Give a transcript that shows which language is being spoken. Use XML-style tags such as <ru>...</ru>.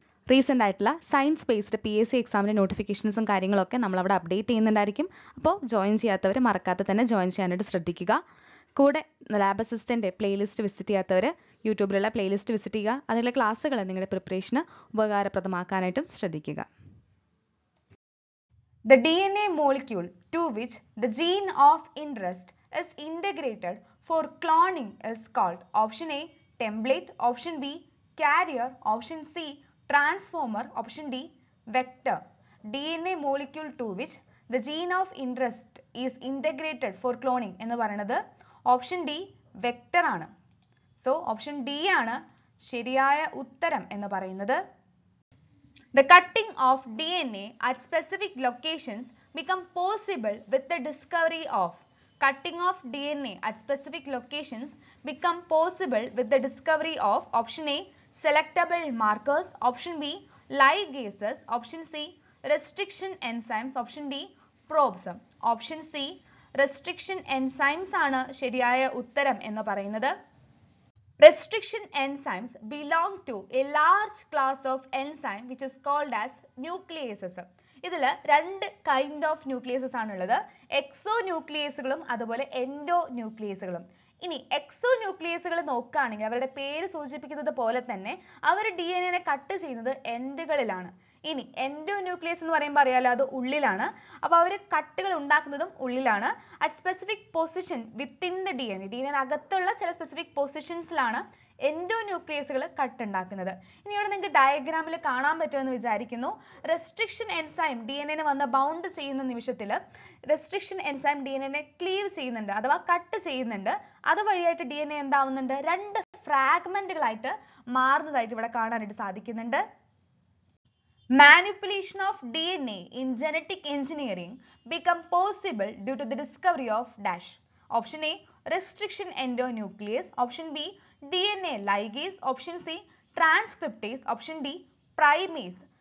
<ml>Recent ആയിട്ടുള്ള science based P S C എക്സാമിൻ്റെ നോട്ടിഫിക്കേഷൻസും കാര്യങ്ങളൊക്കെ നമ്മളവിടെ അപ്ഡേറ്റ് ചെയ്യുന്നുണ്ടായിരിക്കും. അപ്പോൾ ജോയിൻ ചെയ്യാത്തവർ മറക്കാതെ തന്നെ ജോയിൻ ചെയ്യാനായിട്ട് ശ്രദ്ധിക്കുക. കൂടെ ലാബ് അസിസ്റ്റൻ്റ് പ്ലേലിസ്റ്റ് വിസിറ്റ് ചെയ്യാത്തവർ യൂട്യൂബിലുള്ള പ്ലേലിസ്റ്റ് വിസിറ്റ് ചെയ്യുക. അതിലുള്ള ക്ലാസ്സുകൾ നിങ്ങളുടെ പ്രിപ്പറേഷന് ഉപകാരപ്രദമാക്കാനായിട്ടും ശ്രദ്ധിക്കുക.</ml> <en>The DNA molecule to which the gene of interest is integrated for cloning is called option A, template, option B, carrier, option C, transformer, option D, vector. DNA molecule to which the gene of interest is integrated for cloning</en> <ml>എന്ന് പറയുന്നത് option D vector ആണ്. So option D ആണ് ശരിയായ ഉത്തരം എന്ന് പറയുന്നത്.</ml> <en>The cutting of DNA at specific locations become possible with the discovery of cutting of DNA at specific locations become possible with the discovery of option A selectable markers, option B ligases, option C restriction enzymes, option D probes. Option C restriction enzymes</en> <ml>ആണ് ശരിയായ ഉത്തരം എന്ന് പറയുന്നത്.</ml> <en>Restriction enzymes belong to a large class of enzyme which is called as nucleases.</en> <ml>ഇതില് രണ്ട്</ml> <en>kind of nucleases</en> <ml>ആണ് ഉള്ളത്, എക്സോന്യൂക്ലിയസുകളും അതുപോലെ എൻഡോന്യൂക്ലിയസുകളും. ഇനി എക്സോന്യൂക്ലിയസുകൾ നോക്കുകയാണെങ്കിൽ അവരുടെ പേര് സൂചിപ്പിക്കുന്നത് പോലെ തന്നെ അവർ ഡി എൻ എനെ കട്ട് ചെയ്യുന്നത് എൻഡുകളിലാണ്. ഇനി എൻഡോന്യൂക്ലിയസ് എന്ന് പറയുമ്പോൾ അറിയാലോ അത് ഉള്ളിലാണ്. അപ്പോൾ അവർ കട്ടുകൾ ഉണ്ടാക്കുന്നതും ഉള്ളിലാണ്.</ml> <en>at specific position within the D N A,</en> <ml>D N എന്ന അകത്തുള്ള ചില സ്പെസിഫിക് പൊസിഷൻസിലാണ് എൻഡോന്യൂക്ലിയസുകൾ കട്ട് ഉണ്ടാക്കുന്നത്. ഇനി ഇവിടെ നിങ്ങൾക്ക് ഡയഗ്രാമിൽ കാണാൻ പറ്റുമെന്ന് വിചാരിക്കുന്നു. റെസ്ട്രിക്ഷൻ എൻസൈം ഡി എൻ എന് വന്ന് ബൗണ്ട് ചെയ്യുന്ന നിമിഷത്തിൽ റെസ്ട്രിക്ഷൻ എൻസൈം ഡി എൻ എനെ ക്ലീവ് ചെയ്യുന്നുണ്ട് അഥവാ കട്ട് ചെയ്യുന്നുണ്ട്. അതുവഴിയായിട്ട് ഡി എൻ എ എന്താവുന്നുണ്ട്, രണ്ട് ഫ്രാഗ്മെൻറ്റുകളായിട്ട് മാറുന്നതായിട്ട് ഇവിടെ കാണാനായിട്ട് സാധിക്കുന്നുണ്ട്.</ml> <en>Manipulation of DNA in genetic engineering become possible due to the discovery of dash. Option A, restriction endonuclease. Option B, DNA ligase. Option C, transcriptase. Option D, primase.</en>